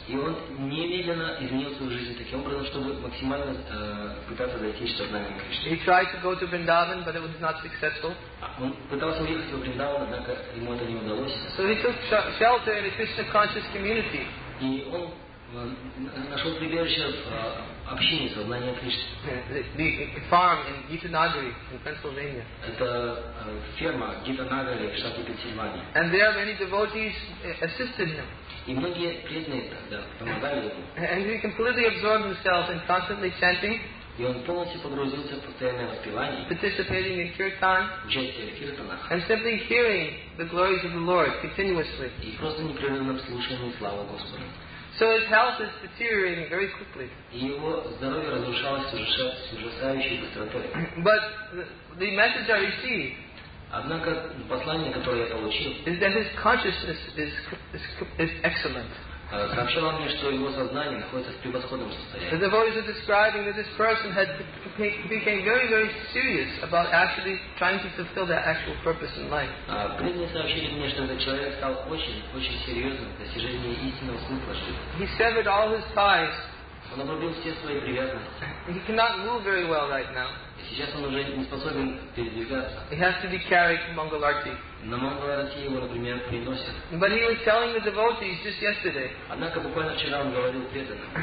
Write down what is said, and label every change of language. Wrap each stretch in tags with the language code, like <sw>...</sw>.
<ru>И он немедленно изменил свою жизнь таким образом, чтобы максимально пытаться достичь сознания Кришны.</ru> <en>He tried to go to Vrindavan, but it was not successful.</en> <ru>Он пытался уехать в Вриндаван, однако ему это не удалось.</ru> <en>So he took shelter in a Krishna conscious community.</en> <ru>И он нашел прибежище в общине сознания Кришны.</ru> <en>The farm in Gita Nagari in Pennsylvania.</en> <ru>Это ферма Gita Nagari в штате Пенсильвания.</ru> <en>And there many devotees assisted him.</en> <ru>И многие преданные помогали ему.</ru> <en>And he completely absorbed himself in constantly chanting.</en> <ru>И он полностью погрузился в постоянное воспевание.</ru> <en>Participating in kirtan.</en> <ru>Участие в киртанах.</ru> <en>And simply hearing the glories of the Lord continuously.</en> <ru>И просто непрерывным слушанием славы Господа.</ru> <en>So his health is deteriorating very quickly.</en> <ru>Его здоровье разрушалось с ужасающей быстротой.</ru> <en>But the message I received.</en> <ru>Однако послание, которое я получил,</ru> <en>is that his consciousness is excellent.</en> <ru>Сообщало мне, что его сознание находится в превосходном состоянии.</ru> <en>The devotees are describing that this person had became very, very serious about actually trying to fulfill their actual purpose in life.</en> <ru>Преданные сообщили мне, что этот человек стал очень, очень серьезным в достижении истинного смысла жизни.</ru> <en>He severed all his ties.</en> <ru>Он обрубил все свои привязанности.</ru> <en>He cannot move very well right now.</en> <ru>Сейчас он уже не способен передвигаться.</ru> <en>He has to be carried to Mangalarti.</en> <ru>На Мангаларти его, например, приносят.</ru> <en>But he was telling the devotees just yesterday.</en> <ru>Однако буквально вчера он говорил преданным.</ru>